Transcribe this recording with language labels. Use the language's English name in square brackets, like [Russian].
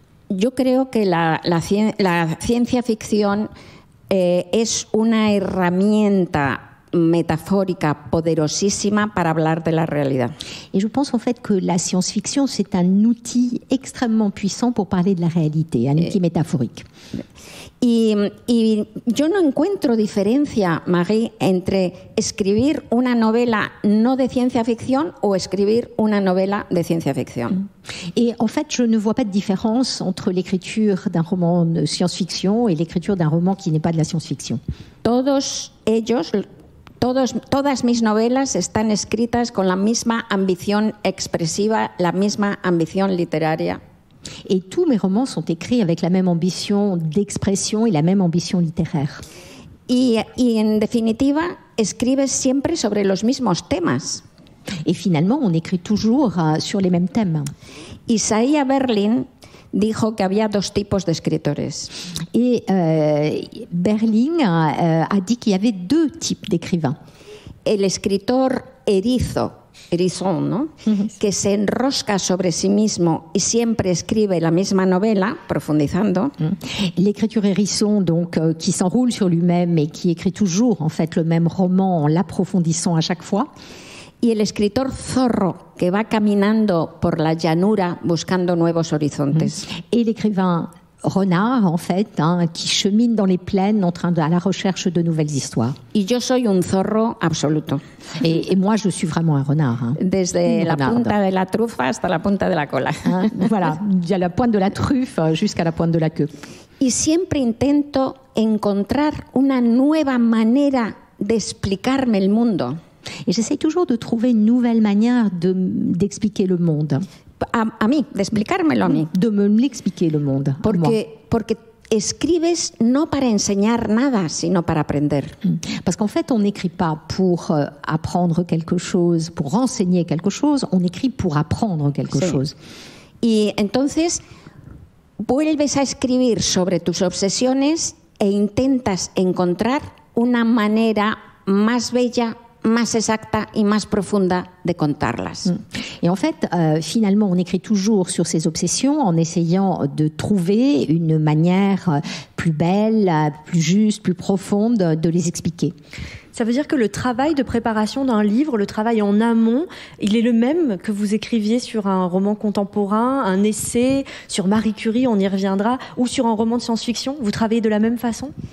[Spanish] Yo creo que la ciencia ficción es una herramienta metafórica poderosísima para hablar de la realidad. [French] Et je pense en fait que la science-fiction c'est un outil extrêmement puissant pour parler de la réalité, un outil métaphorique. [Spanish] Y yo no encuentro diferencia, Marie, entre escribir una novela no de ciencia ficción o escribir una novela de ciencia ficción. [French] Et en fait, je ne vois pas de différence entre l'écriture d'un roman de science-fiction et l'écriture d'un roman qui n'est pas de la science-fiction. [Spanish] Todos ellos, todas mis novelas están escritas con la misma ambición expresiva, la misma ambición literaria. [French] Et tous mes romans sont écrits avec la même ambition d'expression et la même ambition littéraire. [Spanish] Y en definitiva, escribes siempre sobre los mismos temas. [French] Et finalement, on écrit toujours sur les mêmes thèmes. [Spanish] Isaiah Berlin dijo que había dos tipos de escritores. [French] Et Berlin a dit qu'il y avait deux types d'écrivains. [Spanish] El escritor erizo. Erizón, ¿no? Que se enrosca sobre sí mismo y siempre escribe la misma novela, profundizando. [French] L'écriture hérisson, donc, qui s'enroule sur lui-même et qui écrit toujours, en fait, le même roman en l'approfondissant à chaque fois. [Spanish] Y el escritor zorro, que va caminando por la llanura buscando nuevos horizontes. [French] Et l'écrivain renard, en fait, hein, qui chemine dans les plaines en train de, à la recherche de nouvelles histoires. [Spanish] Y yo soy un zorro absoluto. [French] Et moi, je suis vraiment un renard. Hein. [Spanish] Desde la punta de la trufa hasta la punta de la cola. [French] Hein, voilà, de la pointe de la truffe jusqu'à la pointe de la queue. [Spanish] Y siempre intento encontrar una nueva manera de explicarme el mundo. [French] Et j'essaie toujours de trouver une nouvelle manière de, d'expliquer le monde. [Spanish] A mí, de explicármelo a mí. [French] De me l'expliquer le monde. [Spanish] Porque escribes no para enseñar nada, sino para aprender. [French] Parce qu'en fait, on n'écrit pas pour apprendre quelque chose, pour enseigner quelque chose, on écrit pour apprendre quelque chose. [Spanish] Y entonces, vuelves a escribir sobre tus obsesiones e intentas encontrar una manera más bella, más exacta y más profunda de contarlas. [French] Et en fait, finalement, on écrit toujours sur ses obsessions en essayant de trouver une manière plus belle, plus juste, plus profonde de les expliquer. Ça veut dire que le travail de préparation d'un livre, le travail en amont, il est le même que vous écriviez sur un roman contemporain, un essai, sur Marie Curie, on y reviendra, ou sur un roman de science-fiction, vous travaillez de la même façon?